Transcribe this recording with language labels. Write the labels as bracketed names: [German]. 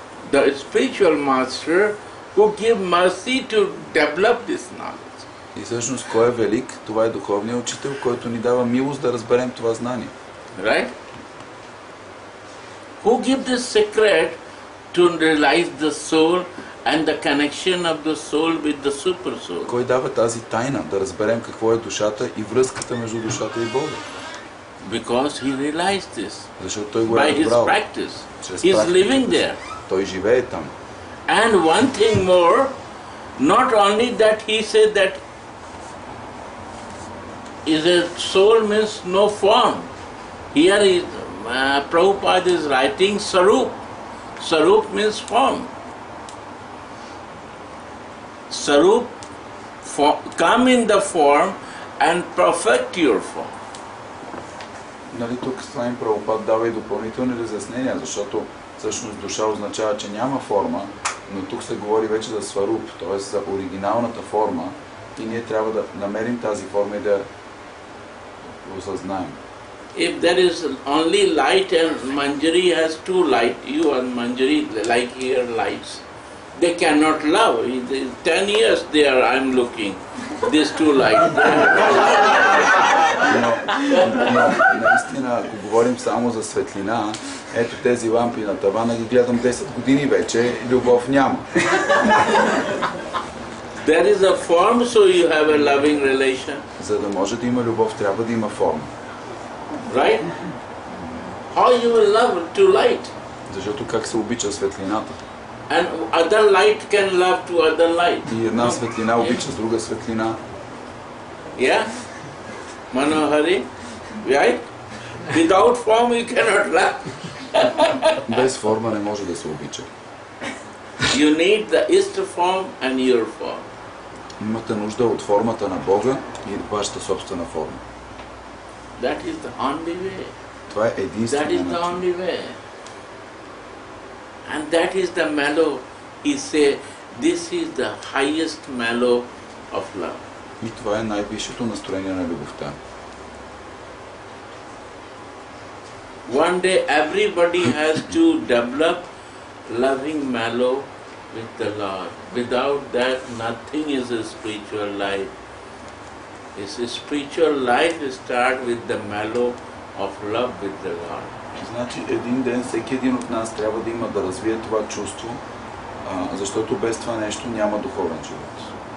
[English] The spiritual master who give mercy to develop this knowledge. [Bulgarian] И всъщност кой е велик? Това е духовният учител, който ни дава милост да разберем това знание. [English] Right? Who give this secret to realize the soul and the connection of the soul with the super soul. [Bulgarian] Кой дава тази тайна да разберем какво е душата и връзката между душата и Бога? [English] Because he realized this. [Bulgarian] Защото той го е разбрал. [English] By his practice. He's living there. [Bulgarian] Той живее там. [English] And one thing more, not only that he said that is a soul means no form. Here is Prabhupada is writing sarup. Sarup means form. Sarup come in the form and perfect your form. [Bulgarian] Нали тук Свами Прабхупада дава и допълнителни разяснения, защото всъщност душа означава, че няма форма, но тук се говори вече за сваруп, т.е. за оригиналната форма и ние трябва да намерим тази форма и да осъзнаем. [English] If there is only light and Manjari has two light, you and Manjari like here lights. They cannot love. 10 years they are, I'm looking, these two lights. [Bulgarian] Но наистина, ако говорим само за светлина, ето тези лампи на тавана ги гледам 10 години вече, любов няма. [English] There is a form, so you have a loving relation. [Bulgarian] За да може да има любов, трябва да има форма. [English] Right? How you will love to light? [Bulgarian] Защото как се обича светлината? [English] And other light can love to other light. [Bulgarian] И една светлина обича с друга светлина. [English] Yeah? Manohari? Right? Without form you cannot love. [Bulgarian] Без форма не може да се обича. [English] You need the east form and your form. [Bulgarian] Имате нужда от формата на Бога и вашата собствена форма. [English] That is the only way. Това е единствената. That is the only way. And that is the mellow, he say, this is the highest mellow of love. [Bulgarian] И това е най-висшето настроение на любовта. [English] One day everybody has to develop loving mellow with the Lord. Without that nothing is a spiritual life. It's a spiritual life start with the mellow of love with the Lord. [Bulgarian] Значи един ден всеки един от нас трябва да има да развие това чувство, защото без това нещо няма духовен живот.